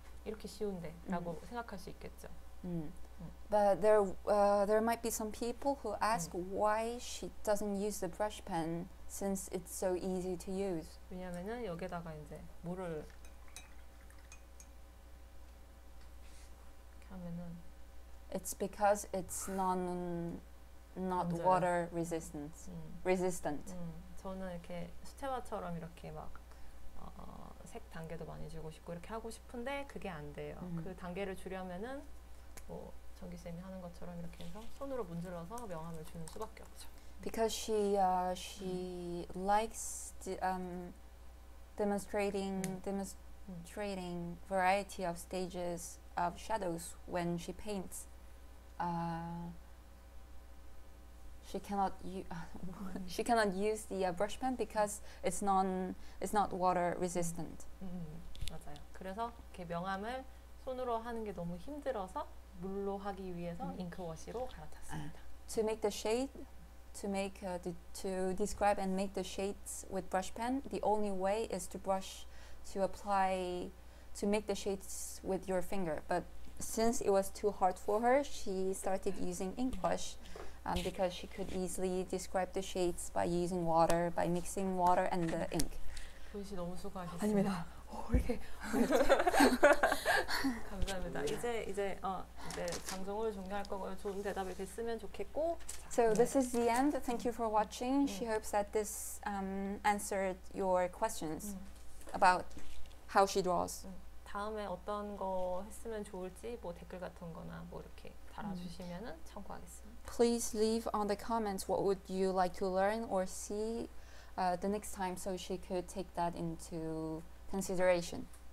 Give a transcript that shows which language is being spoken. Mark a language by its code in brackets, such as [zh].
[ko] 이렇게 쉬운데 라고 생각할 수 있겠죠. [en] But there might be some people who ask why she doesn't use the brush pen since it's so easy to use. [ko] 왜냐면은 여기다가 이제 물을 하면은 [en] It's because it's not [ko] 맞아요. [en] water resistant. Resistant. [ko] 저는 이렇게 수채화처럼 이렇게 막 색 단계도 많이 주고 싶고 이렇게 하고 싶은데 그게 안 돼요. 그 단계를 줄이려면은 뭐 전기쌤이 하는 것처럼 이렇게 해서 손으로 문질러서 명암을 주는 수밖에 없죠. [en] Because she likes demonstrating variety of stages of shadows when she paints. She cannot use the brush pen because it's not water resistant. [ko] 맞아요. 그래서 이렇게 명암을 손으로 하는 게 너무 힘들어서 물로 하기 위해서 잉크워시로 갈아탔습니다. [en] To make the shade, to describe and make the shades with brush pen, the only way is to brush, to apply, to make the shades with your finger. But since it was too hard for her, she started using inkwash because she could easily describe the shades by using water, by mixing water and the ink. [ko] 조인 씨 너무 수고하셨어요. 아닙니다. 감사합니다. 이제 방송을 종료할 거고요. 좋은 대답이 됐으면 좋겠고. [en] So this is the end. Thank you for watching. She hopes that this answered your questions about how she draws. [ko] 다음에 어떤 거 했으면 좋을지 뭐 댓글 같은 거나 뭐 이렇게 달아주시면은 참고하겠습니다. [en] Please leave on the comments what would you like to learn or see the next time so she could take that into consideration.